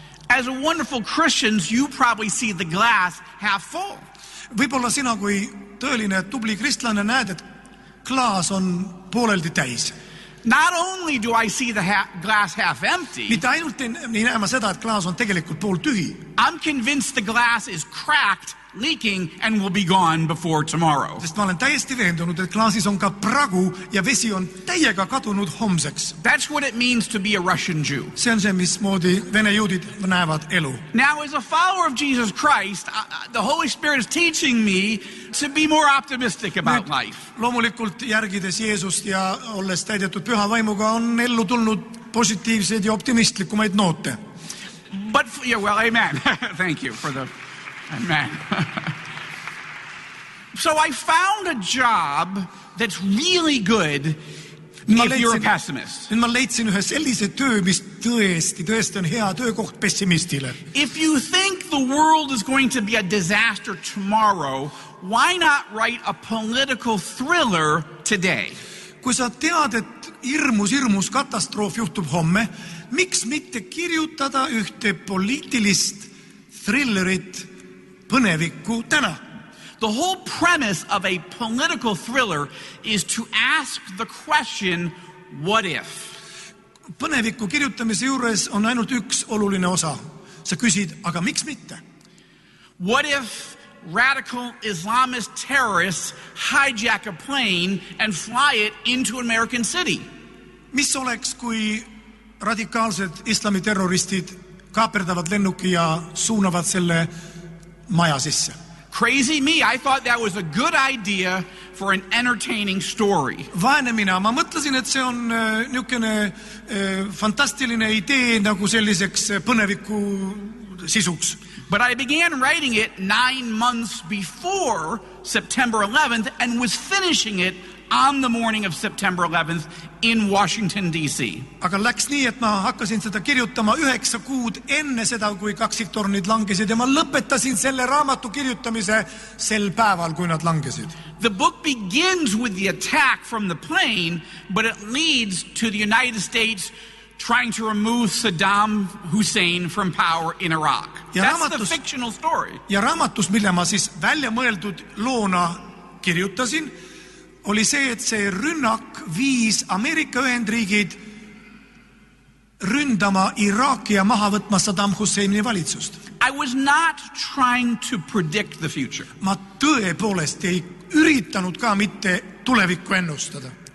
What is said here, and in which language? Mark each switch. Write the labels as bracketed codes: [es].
[en] As a wonderful Christians, you probably see the glass half full. [et] Võibolla sina kui tõeline tubli kristlane näed, et klaas on pooleldi täis. [en] Not only do I see the glass half empty. [et] Mitte ainult nii näema seda, et klaas on tegelikult pool tühi. [en] I'm convinced the glass is cracked, leaking and will be gone before tomorrow. [et] Sest ma olen täiesti veendunud, et klaasis on ka pragu ja vesi on täiega kadunud homseks. [en] That's what it means to be a Russian Jew. [et] See on see, mis moodi vene juudid näevad elu. [en] Now as a follower of Jesus Christ, the Holy Spirit is teaching me to be more optimistic about life. [et] Loomulikult järgides Jeesust ja olles täidetud püha vaimuga on ellu tulnud positiivseid ja optimistlikumaid noote. [en] But yeah, well, amen. Thank you for the amen. So I found a job that's really good if you're a pessimist. [et] Ma leidsin ühe sellise töö, mis tõesti on hea töökoht pessimistile. [en] If you think the world is going to be a disaster tomorrow, why not write a political thriller today? [et] Kui sa tead, et hirmus katastroof juhtub homme, miks mitte kirjutada ühte poliitilist thrillerit põneviku täna? [en] The whole premise of a political thriller is to ask the question, what if? [et] Põneviku kirjutamise juures on ainult üks oluline osa. Sa küsid, aga miks mitte? [en] What if radical Islamist terrorists hijack a plane and fly it into an American city? [et] Mis oleks, kui radikaalsed islamiterroristid kaaperdavad lennuki ja suunavad selle maja sisse? [en] Crazy me, I thought that was a good idea for an entertaining story. [et] Vaene mina, ma mõtlesin, et see on niukene fantastiline idee nagu selliseks põneviku sisuks. [en] But I began writing it 9 months before September 11th and was finishing it on the morning of September 11th in Washington, D.C. [et] Aga läks nii, et ma hakkasin seda kirjutama 9 kuud enne seda, kui kaksiktornid langesid ja ma lõpetasin selle raamatu kirjutamise sel päeval, kui nad langesid. [en] The book begins with the attack from the plane, but it leads to the United States trying to remove Saddam Hussein from power in Iraq. That's the fictional story. [et] Ja raamatus, mille ma siis välja mõeldud loona kirjutasin, oli see, et see rünnak viis Ameerika Ühendriigid ründama Iraaki ja maha võtma Saddam Husseini valitsust. [en] I was not trying to predict the future. [et] Ma tõepoolest ei üritanud ka mitte tulevikku ennustada.